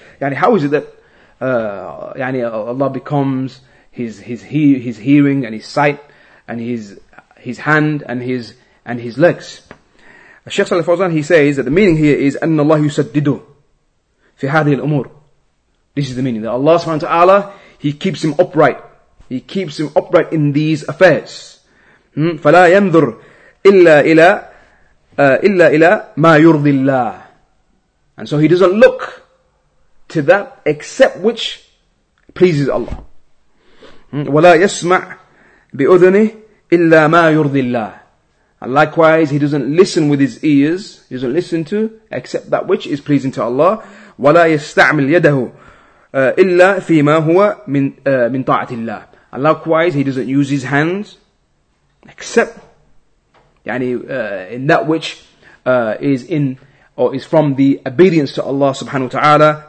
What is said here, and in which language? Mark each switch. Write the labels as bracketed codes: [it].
[en] Yani, how is it that Allah becomes his hearing and his sight and his hand and his legs? Sheikh Salih al-Fawzan, he says that the meaning here is [ar] أن الله يسدده في هذه الأمور. [en] This is the meaning, that Allah subhanahu wa ta'ala, He keeps him upright. He keeps him upright in these affairs. [ar] فلا ينظر إلا إلى ما يرضي الله. [en] And so he doesn't look to that except which pleases Allah. [ar] ولا يسمع بأذنه إلا ما يرضي الله. [en] And likewise, he doesn't listen with his ears. He doesn't listen to except that which is pleasing to Allah. [ar] وَلَا يَسْتَعْمِلْ يَدَهُ إِلَّا فِي مَا هُوَ مِنْ طَاعَةِ اللَّهِ. [en] And likewise, he doesn't use his hands except in that which is from the obedience to Allah subhanahu wa ta'ala.